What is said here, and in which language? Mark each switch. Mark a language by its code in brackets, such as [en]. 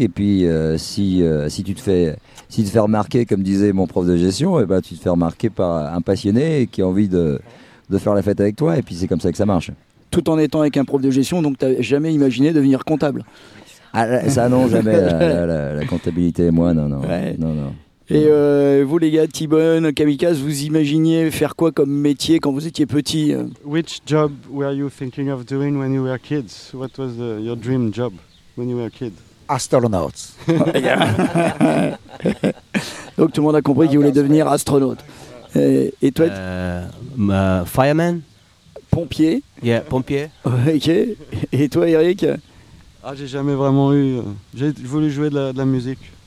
[fr] Et puis, si tu te fais remarquer, comme disait mon prof de gestion, et ben, tu te fais remarquer par un passionné qui a envie de faire la fête avec toi. Et puis, c'est comme ça que ça marche. Tout en étant avec un prof de gestion, donc tu n'as jamais imaginé devenir comptable? Ah, non, jamais, la comptabilité et moi, non, non, ouais. Non, non. Et vous les gars, T-Bone, Kamikaze, vous imaginiez faire quoi comme métier quand vous étiez petit? [en] Which job were you thinking of doing when you were kids? What was your dream job when you were a kid? Astronauts. [fr] Donc tout le monde a compris qu'il voulait devenir astronaute. Et toi? [en] Fireman. [fr] Pompier. [en] Yeah, pompier. [fr] Ok. Et toi, Eric? Ah, j'ai jamais vraiment eu... J'ai voulu jouer de la musique.